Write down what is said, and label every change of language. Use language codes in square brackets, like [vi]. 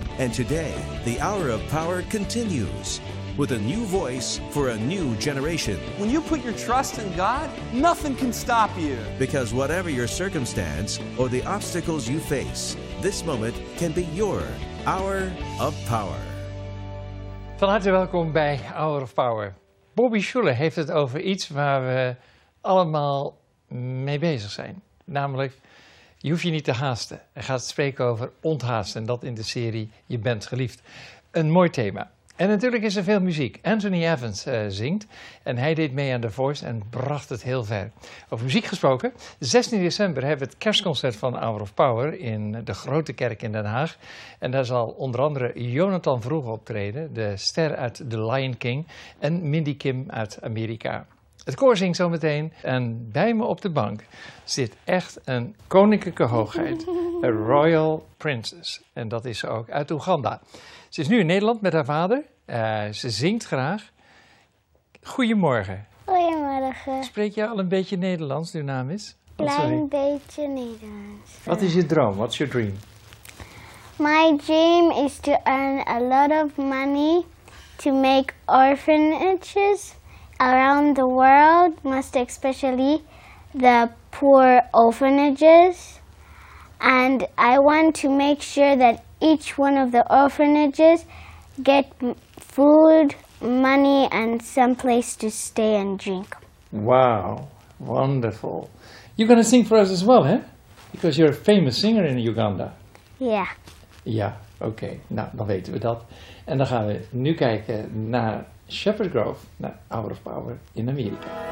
[en] And today, the Hour of Power continues with a new voice for a new generation. When you put your trust in God, nothing can stop you. Because whatever your circumstance or the obstacles you face, this moment can be your Hour of Power. [nl] Van harte welkom bij Hour of Power. Bobby Schuller heeft het over iets waar we allemaal mee bezig zijn. Namelijk, je hoeft je niet te haasten. Hij gaat spreken over onthaasten. En dat in de serie Je bent geliefd. Een mooi thema. En natuurlijk is er veel muziek. Anthony Evans zingt. En hij deed mee aan The Voice en bracht het heel ver. Over muziek gesproken. 16 december hebben we het kerstconcert van Hour of Power in de Grote Kerk in Den Haag. En daar zal onder andere Jonathan Vroeg optreden. De ster uit The Lion King. En Mindy Kim uit Amerika. Het koor zingt zometeen. En bij me op de bank zit echt een koninklijke hoogheid. Een [en] royal princess. [nl] En dat is ze ook uit Oeganda. Ze is nu in Nederland met haar vader. Ze zingt graag. Goedemorgen. Goedemorgen. Spreek je al een beetje Nederlands, uw naam is? Klein beetje Nederlands. Wat is je droom? [en] What's your dream? My dream is to earn a lot of money to make orphanages around the world, most especially the poor orphanages. And I want to make sure that each one of the orphanages get food, money, and some place to stay and drink. Wow, wonderful. You're going to sing for us as well, eh? Because you're a famous singer in Uganda. Yeah. Yeah, okay. [nl] Nou, dan weten we dat. En dan gaan we nu kijken naar Shepherd Grove, naar Hour of Power in Amerika.